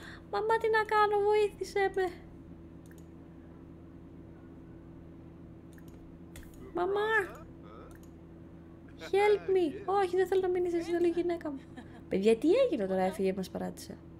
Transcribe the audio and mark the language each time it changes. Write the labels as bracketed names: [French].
[Greek] Μαμά, τι να κάνω, βοήθησέ με. Μαμά, [English] help me. [Greek] Όχι, δεν θέλω να μείνεις εσύ, θέλω η γυναίκα μου. Παιδιά, τι έγινε τώρα, έφυγε, μας παράτησε.